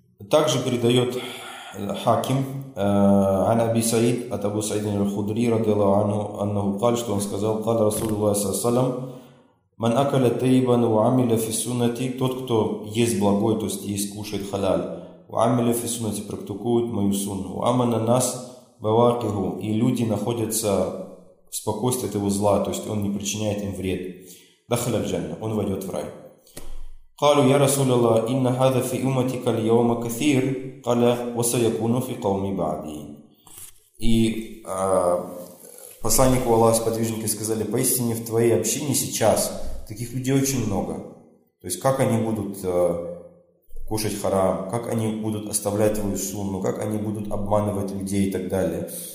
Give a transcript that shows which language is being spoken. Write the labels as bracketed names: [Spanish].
[Russian] Также передает Хаким ан Аби Саид от Абу Саида аль-Худри радиаллаху анху аннаху каль, что он сказал: каля Расулуллахи саллаллаху алейхи ва саллям, [Arabic] ман акаля тайбан ва амиля фи суннати, [Russian] тот, кто ест благой, то есть есть, кушает халяль, [Arabic] وعمل في سنتي [Russian] практикует мою сунну, [Arabic] وامن الناس بواقعه, [Russian] и люди находятся в спокойствии от его зла, то есть он не причиняет им вред, [Arabic] دخل الجنة, [Russian] он войдет в рай. [Arabic] قالوا يا رسول الله إن هذا في أمتك اليوم كثير قال وسيكون في قومي بعدي. [Russian] И посланнику Аллаха сподвижники сказали: поистине в твоей общине сейчас таких людей очень много, то есть как они будут кушать харам, как они будут оставлять твою сунну, как они будут обманывать людей и так далее.